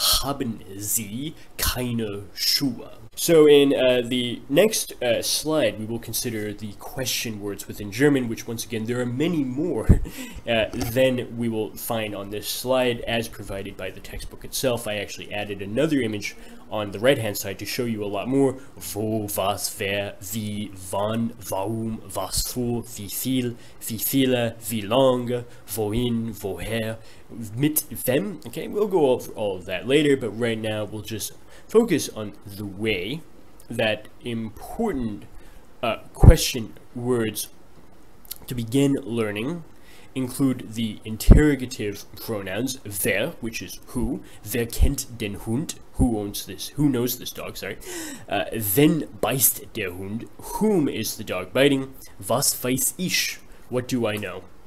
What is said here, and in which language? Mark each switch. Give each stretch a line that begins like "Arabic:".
German: Haben Sie keine Schuhe?
English: So in the next slide, we will consider the question words within German, which once again, there are many more than we will find on this slide as provided by the textbook itself. I actually added another image on the right-hand side to show you a lot more.
German: Wo, was, wer, wie, wann, warum, was, wo, wie viel, wie viele, wie lange, wohin, woher, mit wem.
English: Okay, we'll go over all of that later, but right now we'll just focus on the way that important question words to begin learning include the interrogative pronouns, wer, which is who,
German: wer kennt den Hund,
English: who owns this, who knows this dog, sorry,
German: wen beißt der Hund,
English: whom is the dog biting,
German: was weiß ich,
English: what do I know.